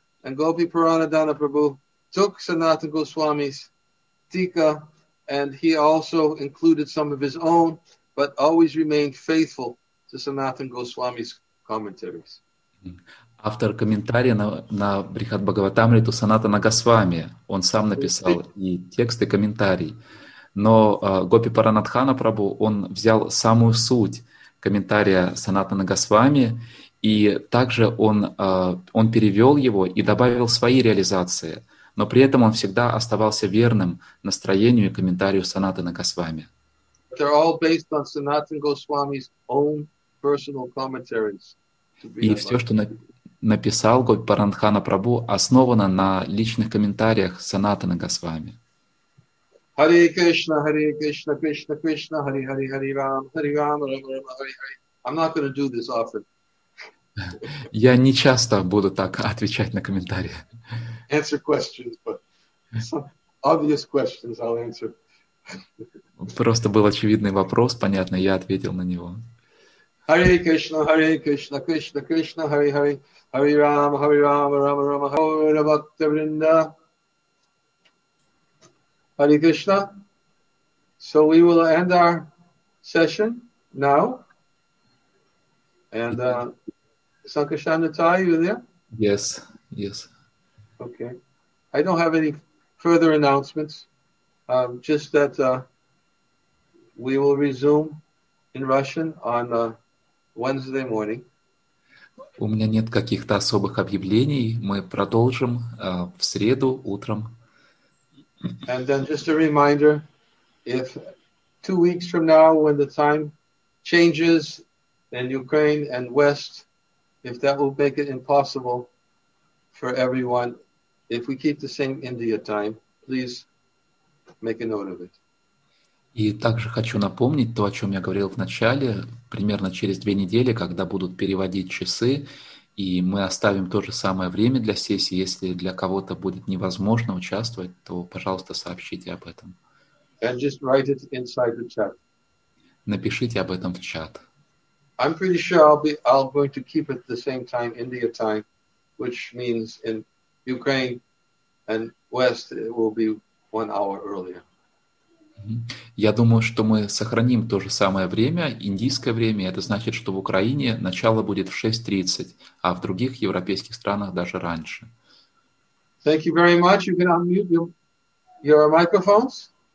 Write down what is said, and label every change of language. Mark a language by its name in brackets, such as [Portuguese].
[English] And Gopi Purana Dana Prabhu took Sanatan Goswami's Tika, and he also included some of his own, but always remained faithful to Sanatan Goswami's commentaries. [Russian] Автор комментария на Брихад Бхагаватамриту Санатана Госвами. Он сам написал и текст, и комментарий. Но Гопи Паранатхана Прабху, он взял самую суть комментария Санатана Госвами, и также он перевел его и добавил свои реализации. но при этом он всегда оставался верным настроению и комментарию Санатана Госвами. [English] They're all based on Sanatana Goswami's own personal commentaries. [Russian] И все, что написал Гопинатхана Прабху, основано на личных комментариях Санатана Госвами. [Sanskrit] Hare Krishna, Hare Krishna, Krishna Krishna, Hare Hare, Hare Rama, Hare Rama, Rama Rama, Hare Hare. [English] I'm not going to do this often. [Russian] Я не часто буду так отвечать на комментарии. [English] Answer questions, but some obvious questions I'll answer. [Russian] Просто был очевидный вопрос, понятно, я ответил на него. [Sanskrit] Hare Krishna, Hare Krishna, Krishna Krishna, Hare Hare, Hare Rama, Hare Rama, Rama Rama, Hare Bhakta Vrinda. [English] Hare Krishna. So we will end our session now. And Sankarshana Tai, you there? Yes, yes. Okay. I don't have any further announcements. Just that we will resume in Russian on Wednesday morning. [Russian] У меня нет каких-то особых объявлений. Мы продолжим в среду утром. [English] And then just a reminder, if 2 weeks from now, when the time changes in Ukraine and West, if that will make it impossible for everyone, if we keep the same India time, please make a note of it. [Russian] И также хочу напомнить то, о чем я говорил в начале. Примерно через 2 недели, когда будут переводить часы, и мы оставим то же самое время для сессии, если для кого-то будет невозможно участвовать, то, пожалуйста, сообщите об этом. [English] And just write it inside the chat. [Russian] Напишите об этом в чат. [English] I'm pretty sure I'm going to keep it the same time, India time, which means in Ukraine and West it will be 1 hour earlier. [Russian] Я думаю, что мы сохраним то же самое время, индийское время. Это значит, что в Украине начало будет в 6:30, а в других европейских странах даже раньше. [English] Thank you very much. You can unmute your microphones.